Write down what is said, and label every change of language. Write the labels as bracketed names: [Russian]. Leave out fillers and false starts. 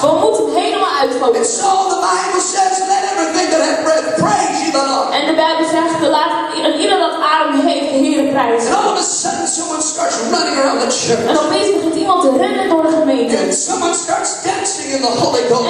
[Dutch] We moeten hem helemaal uitvogelen. [English] And so the Bible says, let everything that hath breath praise ye the Lord. [Dutch] En de Bijbel zegt, laat ieder dat adem heeft de Heer prijzen. [English] And all of a sudden, someone starts running around the church. [Dutch] En opeens begint iemand te rennen door de gemeente. [English] And someone starts dancing in the Holy Ghost.